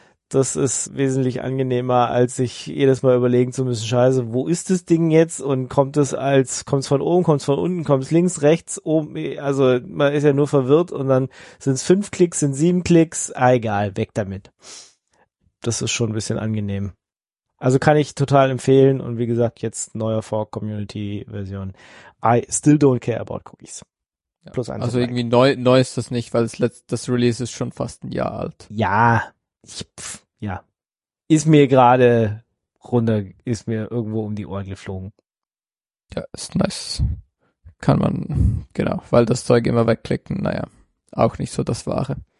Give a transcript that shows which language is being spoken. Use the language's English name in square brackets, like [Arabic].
[German] Das ist wesentlich angenehmer, als sich jedes Mal überlegen zu müssen, scheiße, wo ist das Ding jetzt und kommt es von oben, kommt es von unten, kommt es links, rechts, oben, also man ist ja nur verwirrt und dann sind es 5 Klicks, sind 7 Klicks, egal, weg damit. Das ist schon ein bisschen angenehm. Also kann ich total empfehlen und wie gesagt, jetzt neue Fork-Community-Version. [English] I still don't care about cookies. [German] Ja. Plus 1. Also irgendwie neu ist das nicht, weil das Release ist schon fast ein Jahr alt. Ja. Ist mir gerade runter, ist mir irgendwo um die Ohren geflogen. Ja, ist nice. Kann man, genau, weil das Zeug immer wegklicken, naja, auch nicht so das Wahre.